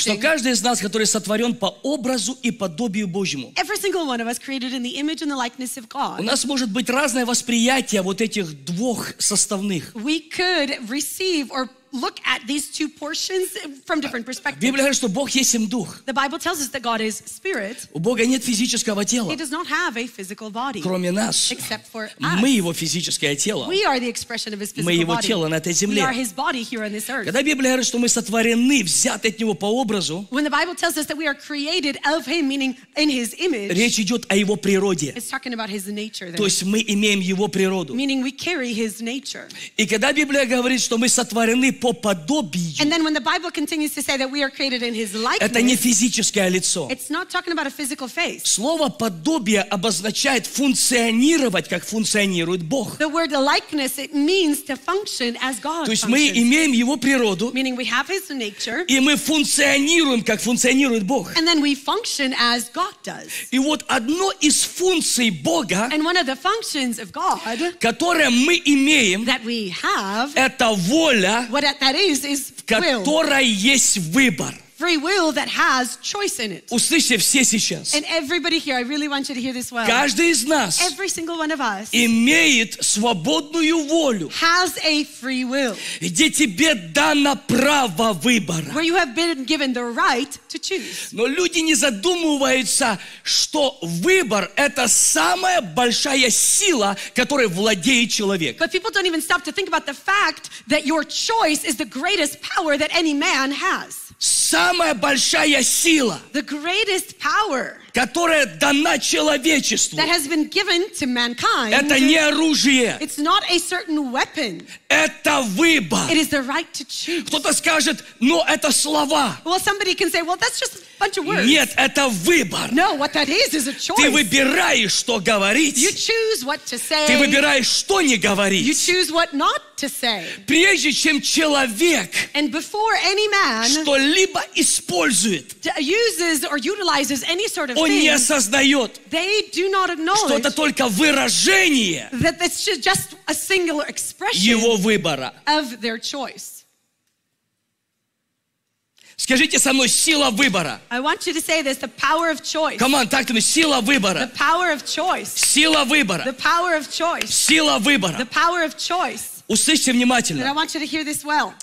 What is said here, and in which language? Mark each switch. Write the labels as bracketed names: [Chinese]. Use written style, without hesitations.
[Russian] Что каждый из нас, который сотворен по образу и подобию Божьему. [English] Every single one of us created in the image and the likeness of God. [Russian] У нас может быть разное восприятие вот этих двух составных. [English] We could receive or look at these two portions from different perspectives. [Russian] Библия говорит, что Бог есть семь дух. [English] The Bible tells us that God is spirit. [Russian] У Бога нет физического тела. [English] He does not have a physical body. [Russian] Кроме нас. [English] Except for us. [Russian] Мы его физическое тело. [English] We are the expression of his physical body. [Russian] Мы его [English] body. [Russian] Тело на этой земле. [English] We are his body here on this earth. [Russian] Когда Библия говорит, что мы сотворены, взяты от него по образу. [English] When the Bible tells us that we are created of him, meaning in his image. [Russian] Речь идет о его природе. [English] It's talking about his nature. [Russian] То есть мы имеем его природу. [English] Meaning we carry his nature. [Russian] И когда Библия говорит, что мы сотворены по подобию. [English] And then when the Bible continues to say that we are created in his likeness. [Russian] Это не физическое лицо. [English] It's not talking about a physical face. [Russian] Слово подобие обозначает функционировать, как функционирует Бог. [English] The word likeness, it means to function as God functions. [Russian] То есть мы имеем его природу. [English] Meaning we have his nature. [Russian] И мы функционируем, как функционирует Бог. [English] And then we function as God does. [Russian] И вот одно из функций Бога. [English] And one of the functions of God. [Russian] Которое мы имеем. [English] That we have. [Russian] Это воля. [English] What that is [Russian] в которой есть выбор. [English] free will that has choice in it. [Russian] Услышьте все сейчас. [English] And everybody here, I really want you to hear this well. [Russian] Каждый из нас [English] every single one of us [Russian] имеет свободную волю. [English] Has a free will. [Russian] Где тебе дано право выбора. [English] Where you have been given the right to choose. [Russian] Но люди не задумываются, что выбор — это самая большая сила, которой владеет человек. [English] But people don't even stop to think about the fact that your choice is the greatest power that any man has. [Russian] Самая большая сила, [English] the greatest power, [Russian] которая дана человечеству, [English] that has been given to mankind, [Russian] это не оружие, [English] it's not a certain weapon, [Russian] это выбор. [English] It is the right to choose. [Russian] Кто-то скажет, но это слова. [English] Well, somebody can say, well, that's just a bunch of words. [Russian] Нет, это выбор. [English] No, what that is a choice. [Russian] Ты выбираешь, что говорить. [English] You choose what to say. [Russian] Ты выбираешь, что не говорить. [English] You choose what not to say. [Russian] Прежде чем человек, [English] and before any man, [Russian] что-либо использует, [English] uses or utilizes any sort of [Russian] он не осознает, [English] they do not acknowledge, [Russian] что это только выражение, [English] that it's just a singular expression, [Russian] его выбора. [English] Of their choice. [Russian] Скажите со мной, сила выбора. [English] I want you to say this, the power of choice. Come on, [Russian] так, сила выбора. [English] The power of choice. [Russian] Сила выбора. [English] The power of choice. [Russian] Сила выбора. [English] The power of choice. [Russian] Услышьте внимательно. [English] But I want you to hear this well.